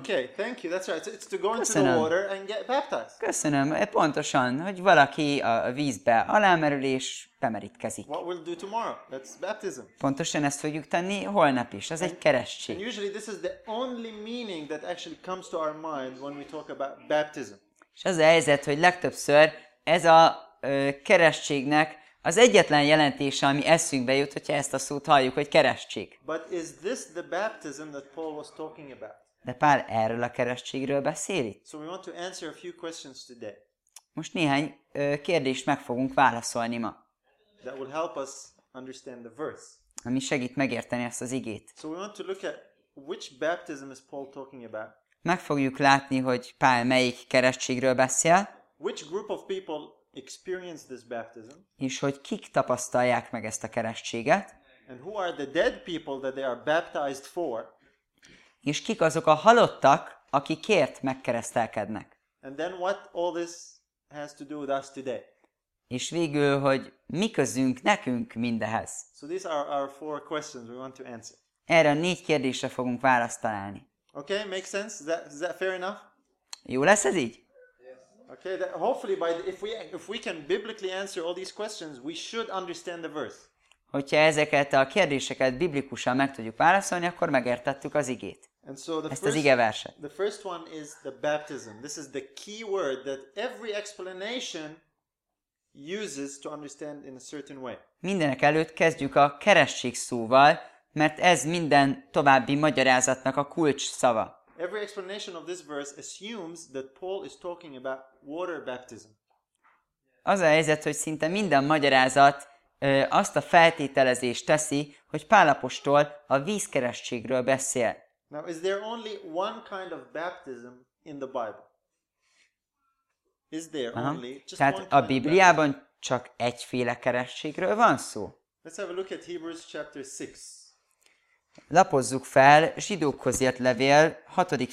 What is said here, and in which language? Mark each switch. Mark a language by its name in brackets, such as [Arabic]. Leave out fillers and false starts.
[English] Okay, thank you. That's right. It's to go into the water and get baptized. [Hungarian] Köszönöm. Pontosan, hogy valaki a vízbe alámerül és bemerítkezik. [English] What we'll do tomorrow? That's baptism. [Hungarian] Pontosan ezt fogjuk tenni holnap is. Ez egy keresztség. [English] And usually this is the only meaning that actually comes to our mind when we talk about baptism. [Hungarian] És az a helyzet, hogy legtöbbször ez a keresztségnek az egyetlen jelentése, ami eszünkbe jut, hogyha ezt a szót halljuk, hogy keresztség. [English] But is this the baptism that Paul was talking about? [Hungarian] De Pál erről a keresztségről beszél itt. [English] So we want to answer a few questions today. [Hungarian] Most néhány kérdést meg fogunk válaszolni ma. [English] That will help us understand the verse. [Hungarian] Ami segít megérteni ezt az igét. [English] So we want to look at which baptism is Paul talking about. [Hungarian] Meg fogjuk látni, hogy Pál melyik keresztségről beszél. [English] Which group of people experience this baptism? [Hungarian] És hogy kik tapasztalják meg ezt a keresztséget? [English] And who are the dead people that they are baptized for? [Hungarian] És kik azok a halottak, akikért megkeresztelkednek? [English] And then what all this has to do with us today? [Hungarian] És végül, hogy mi közünk nekünk mindehez? [English] So these are our four questions we want to answer. [Hungarian] Erre a négy kérdésre fogunk választ találni. [English] Okay, makes sense? Is that fair enough? [Hungarian] Jó lesz ez így? [English] Okay, that hopefully if we can biblically answer all these questions, we should understand the verse. [Hungarian] Hogyha ezeket a kérdéseket biblikusan meg tudjuk válaszolni, akkor megértettük az igét. [English] And so [Hungarian] ezt az igeverset. [English] The first one is the baptism. This is the key word that every explanation uses to understand in a certain way. [Hungarian] Mindenek előtt kezdjük a keresztség szóval, mert ez minden további magyarázatnak a kulcs szava. [English] Every explanation of this verse assumes that Paul is talking about water baptism. [Hungarian] Az a helyzet, hogy szinte minden magyarázat azt a feltételezést teszi, hogy Pál apostol a vízkeresztségről beszél. [English] Now, is there only one kind of baptism in the Bible? Is there only just [Hungarian] tehát [English] one [Hungarian] a Bibliában csak egyféle keresztségről van szó? [English] Let's have a look at Hebrews chapter 6. [Hungarian] Lapozzuk fel Zsidókhoz írt levél 6.